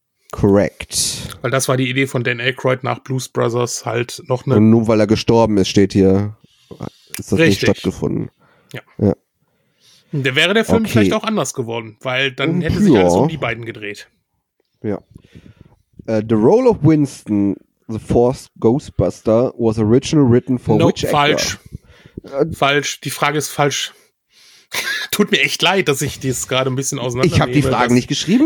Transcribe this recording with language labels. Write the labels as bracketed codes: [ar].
[en] Correct. [de] Weil das war die Idee von Dan Aykroyd nach Blues Brothers halt noch eine. Und nur weil er gestorben ist, steht hier, ist das richtig. Nicht stattgefunden. Ja. Ja. Der wäre der Film okay. Vielleicht auch anders geworden, weil dann hätte sich alles um die beiden gedreht. Ja. [en] The Role of Winston, the Fourth Ghostbuster, was original written for nope, which actor? [de] Falsch. Falsch. Die Frage ist falsch. Tut mir echt leid, dass ich dies gerade ein bisschen auseinander. Ich habe die Fragen nicht geschrieben.